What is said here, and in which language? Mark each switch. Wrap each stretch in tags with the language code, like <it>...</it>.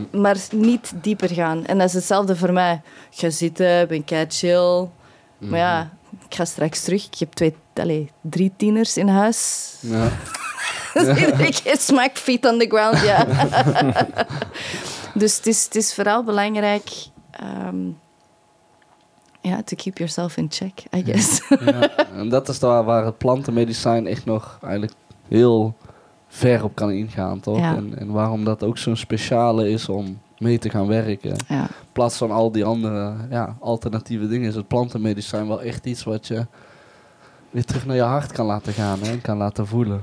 <nl>Maar niet dieper gaan. En dat is hetzelfde voor mij. Ik ga zitten, ben kei chill. Maar ja, ik ga straks terug. Ik heb 3 tieners in huis. Ja.</nl> <en>Ik smack feet on the ground, ja.</en> <nl>Dus het is vooral belangrijk...</nl> <en>to keep yourself in check, I guess.</en> <nl>Ja. En dat is waar het plantenmedicijn echt nog eigenlijk heel ver op kan ingaan, toch? Ja. En waarom dat ook zo'n speciale is om mee te gaan werken. Ja. In plaats van al die andere alternatieve dingen is het plantenmedicijn wel echt iets wat je weer terug naar je hart kan laten gaan, hè? En kan laten voelen.</nl>